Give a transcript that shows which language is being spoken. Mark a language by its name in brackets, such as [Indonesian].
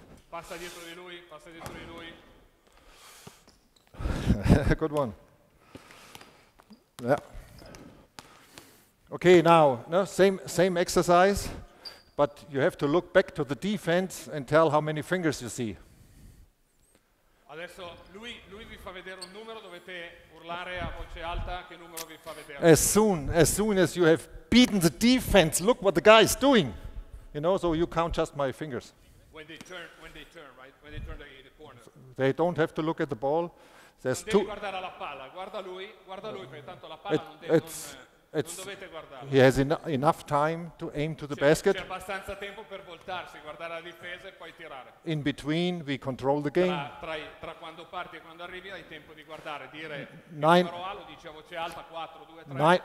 [Italian] Passa dietro di lui. [English] Good one. Yeah. Okay, now, no, same exercise, but you have to look back to the defense and tell how many fingers you see. [Italian] Adesso lui vi fa vedere un numero, dovete urlare a voce alta che numero vi fa vedere. [English] As soon as you have beaten the defense, look what the guy is doing. You know, so you count just my fingers. When they turn, right? When they turn the corner. They don't have to look at the ball. There's [Italian] non devi guardare la palla, guarda lui, perché tanto la palla non dovete guardarla. [English] He has enough time to aim to the basket. [Italian] C'è abbastanza tempo per voltarsi, guardare la difesa e poi tirare. [English] In between, we control the game. [Italian] Tra quando parti e quando arrivi hai tempo di guardare, dire nine, numero A, lo dice a voce alta, 4, 2, 3.